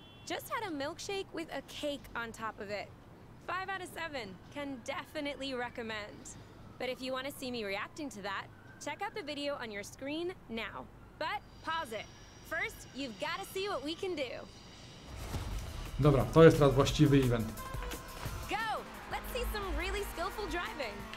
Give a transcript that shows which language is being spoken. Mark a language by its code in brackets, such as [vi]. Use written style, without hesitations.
[en] Just had a milkshake with a cake on top of it. 5 out of 7. Can definitely recommend. But if you want to see me reacting to that, check out the video on your screen now. But pause it. First, you've got to see what we can do. [pl] Dobra, to jest teraz właściwy event. [en] Go! Let's see some really skillful driving.